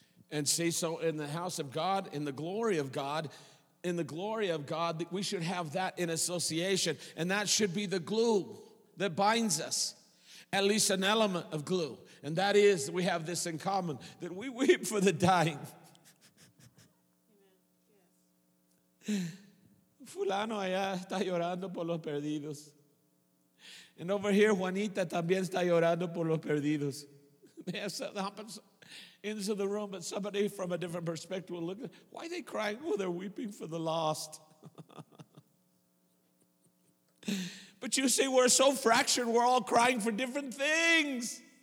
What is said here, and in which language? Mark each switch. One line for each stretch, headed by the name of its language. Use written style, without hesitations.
English: And see, so in the house of God, in the glory of God, in the glory of God, we should have that in association. And that should be the glue that binds us, at least an element of glue. And that is, we have this in common, that we weep for the dying.
Spanish: Fulano allá está llorando por los perdidos.
English: And over here,
Spanish: Juanita también está llorando por los perdidos.
English: Yes, that happens into the room, but somebody from a different perspective will look at, why are they crying? Oh, they're weeping for the lost. But you see, we're so fractured, we're all crying for different things.